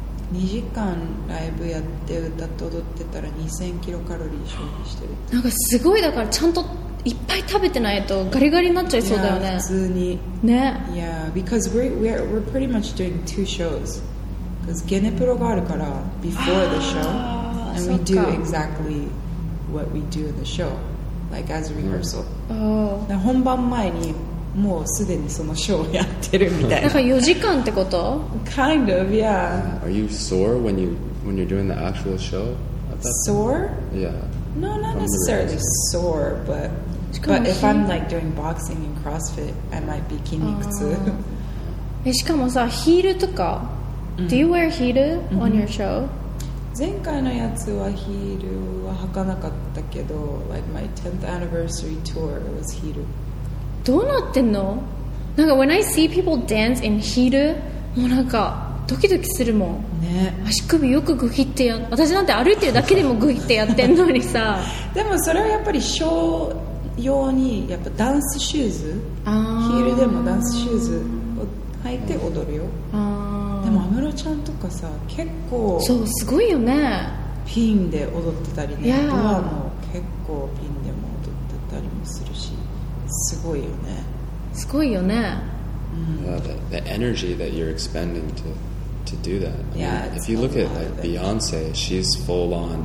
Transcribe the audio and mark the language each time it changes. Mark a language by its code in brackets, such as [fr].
[ja] 2時間ライブやって歌って踊ってたら2000キロカロリー消費してる。なんかすごい、だからちゃんと。いっぱい食べてないとガリガリになっちゃいそうだよね。普通にね。 [en] Yeah, because we're pretty much doing two shows. Because [ja] ゲネプロがあるから [en] before the show, and we do exactly what we do in the show, like as a rehearsal. Oh. [ja] 本番前にもうすでにそのショーをやってるみたいな。だから4時間ってこと？ [en] Kind of, yeah. Are you sore when you're doing the actual show? Sore? Yeah. No, not necessarily sore, but if I'm like doing boxing and CrossFit, I might be 筋肉痛. [ja] え、しかもさ、ヒールとか、 [en] Do you wear heel on your show? [ja] 前回のやつはヒールは履かなかったけど、 [en] like my 10th anniversary tour, it was heel. [ja] どうなってんの？なんか [en] when I see people dance in heel, [ja] もうなんか。ドキドキするもん、ね、足首よくグヒってや、私なんて歩いてるだけでもグヒってやってんのにさ。でもそれはやっぱりショー用にやっぱダンスシューズ、あーヒールでもダンスシューズを履いて踊るよ。あでも安室ちゃんとかさ結構そうすごいよね、ピンで踊ってたりね、ドアも結構ピンでも踊ってたりもするし、すごいよね、すごいよね、 [en] the energy that you're expending to do that. I yeah, mean, if you look at like Beyonce, she's full on.